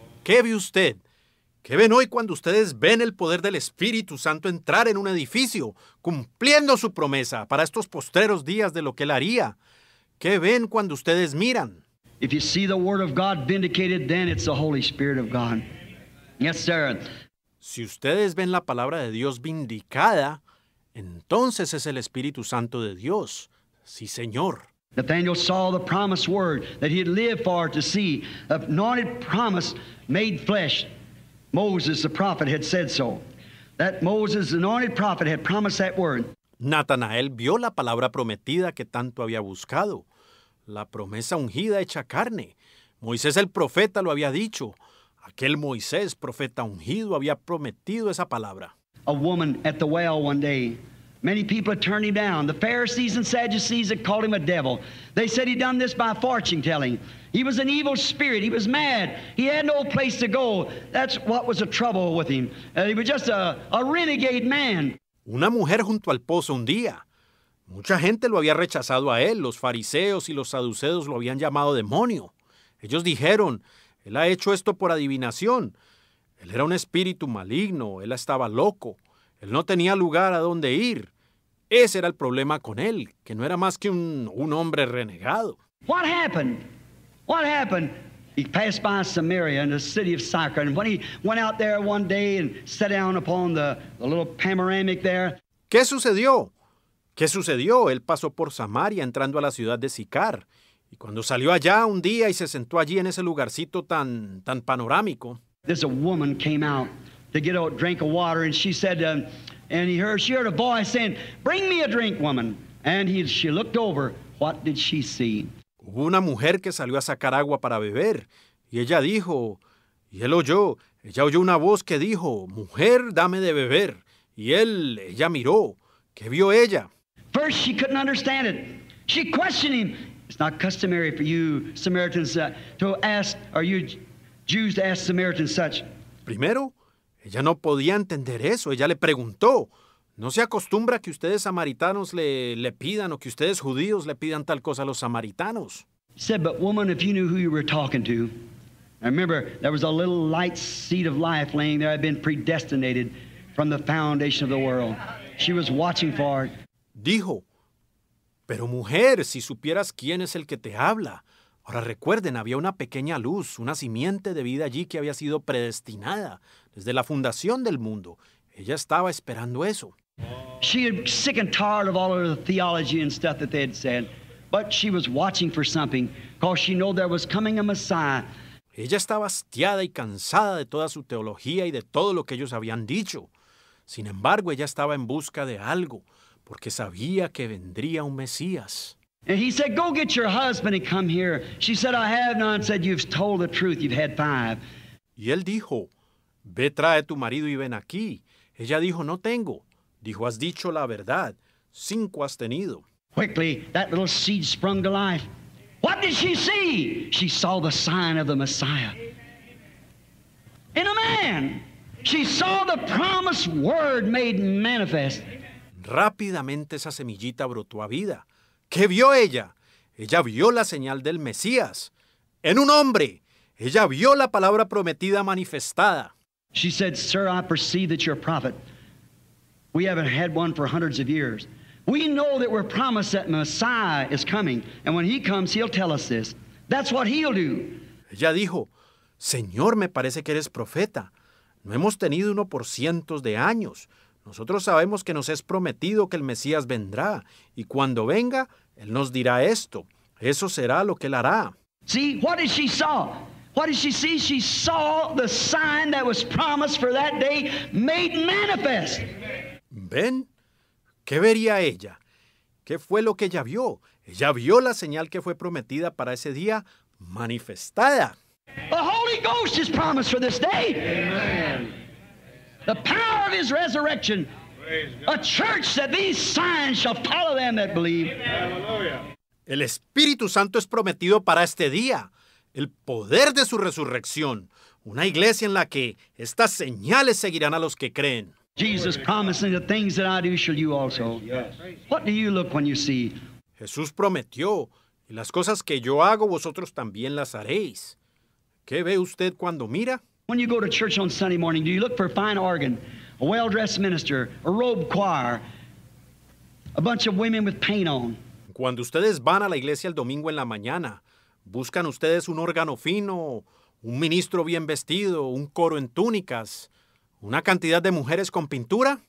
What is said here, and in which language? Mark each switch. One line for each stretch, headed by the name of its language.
Spanish: ¿Qué ve usted? ¿Qué ven hoy cuando ustedes ven el poder del Espíritu Santo entrar en un edificio, cumpliendo su promesa para estos postreros días de lo que Él haría? ¿Qué ven cuando ustedes miran?
English: If you see the Word of God vindicated, then it's the Holy Spirit of God. Yes, sir.
Spanish: Si ustedes ven la palabra de Dios vindicada, entonces es el Espíritu Santo de Dios. Sí, Señor.
English: Nathanael saw the promised word that he had lived for to see, the anointed promise made flesh. Moses, the prophet, had said so. That Moses, the anointed prophet, had promised that word.
Spanish: Natanael vio la palabra prometida que tanto había buscado, la promesa ungida hecha carne. Moisés, el profeta, lo había dicho. Aquel Moisés, profeta ungido, había prometido esa palabra.
English: A woman at the well one day. Many people had turned him down. The Pharisees and Sadducees had called him a devil. They said he'd done this by fortune telling. He was an evil spirit. He was mad. He had no place to go. That's what was the trouble with him. He was just a renegade man.
Spanish: Una mujer junto al pozo un día. Mucha gente lo había rechazado a él. Los fariseos y los saduceos lo habían llamado demonio. Ellos dijeron, él ha hecho esto por adivinación. Él era un espíritu maligno. Él estaba loco. Él no tenía lugar a dónde ir. Ese era el problema con él, que no era más que un hombre renegado.
English: What happened? What happened? He passed by Samaria in the city of Sychar, and when he went out there one day and sat down upon the little panoramic there.
Spanish: ¿Qué sucedió? ¿Qué sucedió? Él pasó por Samaria entrando a la ciudad de Sicar, y cuando salió allá un día y se sentó allí en ese lugarcito tan panorámico.
English: There's a woman came out to get a drink of water, and she said, she heard a boy saying, "Bring me a drink, woman." She looked over. What did she see?
Spanish: Hubo una mujer que salió a sacar agua para beber, y ella dijo, y él oyó, ella oyó una voz que dijo, "Mujer, dame de beber." Y él, ella miró, ¿qué vio ella?
English: First, she couldn't understand it. She questioned him. It's not customary for you Samaritans to ask, or you Jews to ask Samaritans such.
Spanish: Primero, ella no podía entender eso. Ella le preguntó, ¿no se acostumbra que ustedes samaritanos le pidan o que ustedes judíos le pidan tal cosa a los samaritanos?
English: He said, but woman, if you knew who you were talking to. I remember, there was a little light seed of life laying there. I'd been predestinated from the foundation of the world. She was watching for it.
Spanish: Dijo, pero mujer, si supieras quién es el que te habla. Ahora recuerden, había una pequeña luz, una simiente de vida allí que había sido predestinada desde la fundación del mundo. Ella estaba esperando eso.
English: She was sick and tired of all of the theology and stuff that they had said, but she was watching for something, because she knew there was coming a Messiah.
Spanish: Ella estaba hastiada y cansada de toda su teología y de todo lo que ellos habían dicho. Sin embargo, ella estaba en busca de algo, porque sabía que vendría un Mesías.
English: And he said, go get your husband and come here. She said, I have none. Said, you've told the truth. You've had five.
Spanish: Y él dijo, ve, trae tu marido y ven aquí. Ella dijo, no tengo. Dijo, has dicho la verdad. Cinco has tenido.
English: Quickly, that little seed sprung to life. What did she see? She saw the sign of the Messiah. In a man. She saw the promised word made manifest.
Spanish: Rápidamente esa semillita brotó a vida. ¿Qué vio ella? Ella vio la señal del Mesías. En un hombre. Ella vio la palabra prometida manifestada.
English: She said, sir, I perceive that you're a prophet. We haven't had one for hundreds of years. We know that we're promised that Messiah is coming. And when he comes, he'll tell us this. That's what he'll do.
Spanish: Ella dijo, señor, me parece que eres profeta. No hemos tenido uno por cientos de años. Nosotros sabemos que nos es prometido que el Mesías vendrá, y cuando venga, Él nos dirá esto. Eso será lo que él hará.
English: See, what did she saw? What did she see? She saw the sign that was promised for that day made manifest.
Spanish: ¿Ven? ¿Qué vería ella? ¿Qué fue lo que ella vio? Ella vio la señal que fue prometida para ese día manifestada.
English: The Holy Ghost is promised for this day. Amen. The power of his resurrection. A church that these signs shall follow them that believe.
Spanish: El Espíritu Santo es prometido para este día. El poder de su resurrección. Una iglesia en la que estas señales seguirán a los que creen.
English: Jesus promising the things that I do shall you also. What do you look when you see?
Spanish: Jesús prometió, y las cosas que yo hago, vosotros también las haréis. ¿Qué ve usted cuando mira?
English: When you go to church on Sunday morning, do you look for a fine organ, a well-dressed minister, a robe choir, a bunch of women with paint on?
Spanish: Cuando ustedes van a la iglesia el domingo en la mañana, ¿buscan ustedes un órgano fino, un ministro bien vestido, un coro en túnicas, una cantidad de mujeres con pintura?